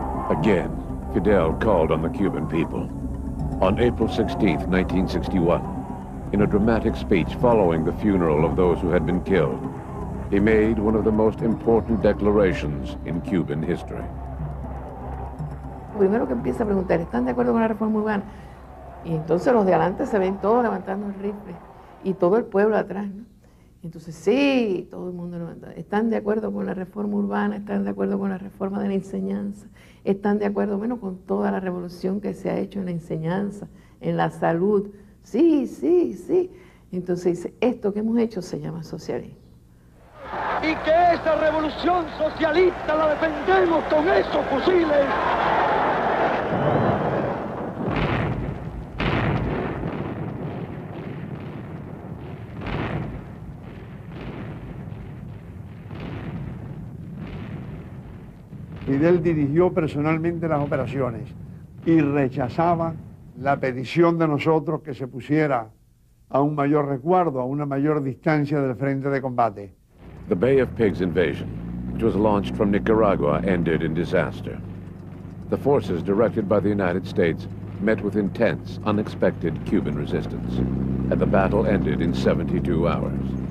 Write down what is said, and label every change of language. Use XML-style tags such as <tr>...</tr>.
<en>Again, Fidel called on the Cuban people. On April 16, 1961, in a dramatic speech following the funeral of those who had been killed, he made one of the most important declarations in Cuban history.</en> <es>Primero que empieza a preguntar, ¿están de acuerdo con la reforma urbana? Y entonces los de adelante se ven todos levantando el rifle y todo el pueblo atrás, ¿no? Y entonces sí, todo el mundo levanta. ¿Están de acuerdo con la reforma urbana? ¿Están de acuerdo con la reforma de la enseñanza? ¿Están de acuerdo, bueno, con toda la revolución que se ha hecho en la enseñanza, en la salud? Sí, sí, sí. Entonces dice, esto que hemos hecho se llama socialismo. Y que esa revolución socialista la defendemos con esos fusiles. Fidel dirigió personalmente las operaciones y rechazaba la petición de nosotros que se pusiera a un mayor resguardo, a una mayor distancia del frente de combate.</es> <en>The Bay of Pigs invasion, which was launched from Nicaragua, ended in disaster. The forces directed by the United States met with intense, unexpected Cuban resistance, and the battle ended in 72 hours.</en>